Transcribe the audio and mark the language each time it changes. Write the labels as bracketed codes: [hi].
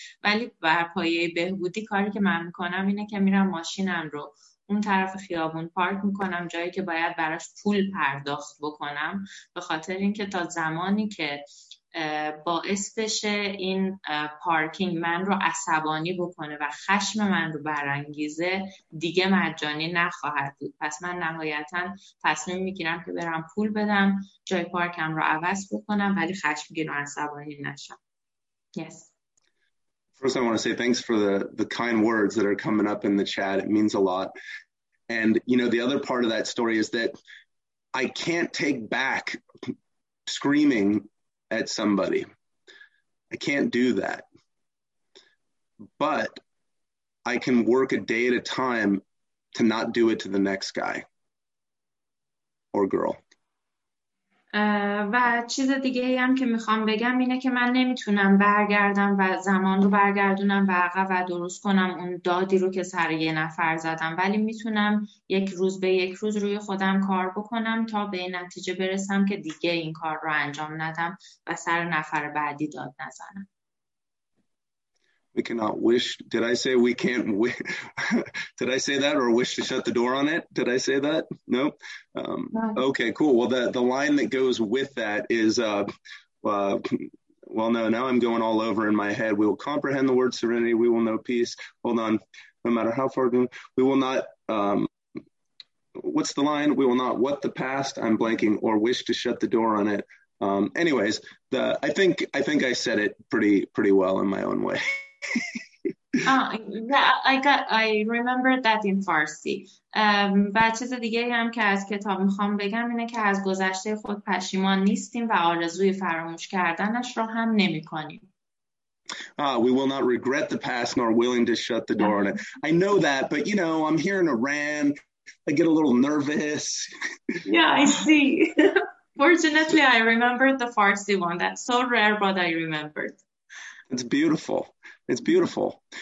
[fa] ولی بر پایه بهبودی کاری که من میکنم اینه که میرم ماشینم رو اون طرف خیابون پارک میکنم، جایی که باید براش پول پرداخت بکنم، به خاطر اینکه تا زمانی که باعث بشه این پارکینگ من رو عصبانی بکنه و خشم من رو برانگیزه دیگه مجانی نخواهد بود. پس من نهایتا تصمیم میگیرم که برم پول بدم، جای پارکم رو عوض بکنم، ولی خشمگین و عصبانی نشم. [en] Yes. First, I want to say thanks for the kind words that are coming up in the chat. It means a lot. And, you know, the other part of that story is that I can't take back screaming at somebody. I can't do that. But I can work a day at a time to not do it to the next guy or girl. [fa] و چیز دیگه ای هم که میخوام بگم اینه که من نمیتونم برگردم و زمان رو برگردونم و عقب و درست کنم اون دادی رو که سر یه نفر زدم، ولی میتونم یک روز به یک روز روی خودم کار بکنم تا به نتیجه برسم که دیگه این کار رو انجام ندم و سر نفر بعدی داد نزنم. [en] We cannot wish. Did I say we can't wish? Did I say that or wish to shut the door on it? Did I say that? No. Okay, cool. Well, the line that goes with that is, well, no, now I'm going all over in my head. We will comprehend the word serenity. We will know peace. Hold on. No matter how far we will not. What's the line? We will not what the past. I'm blanking or wish to shut the door on it. Anyways, I think I said it pretty well in my own way. I remember that in Farsi. [fa] بچه دیگه هم که از کتاب میخوام بگم اینه که از گذشته خود پشیمان نیستیم و آرزوی فراموش کردنش رو هم نمی کنیم. [en] We will not regret the past nor willing to shut the door on it. I know that, but you know, I'm here in Iran. I get a little nervous. Yeah, I see. Fortunately, I remembered the Farsi one. That's so rare, but I remembered. It's beautiful. It's beautiful.